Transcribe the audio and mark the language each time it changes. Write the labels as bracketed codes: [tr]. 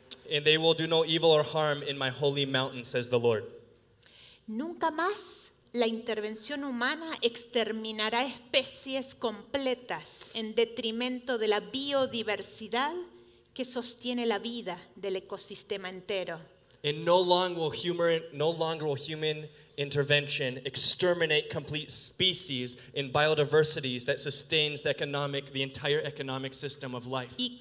[en] And they will do no evil or harm in my holy mountain, says the Lord. [es] Nunca más la intervención humana exterminará especies completas en detrimento de la biodiversidad que sostiene la vida del ecosistema entero. [en] And no longer will human intervention exterminate complete species in biodiversities that sustains the entire economic system of life.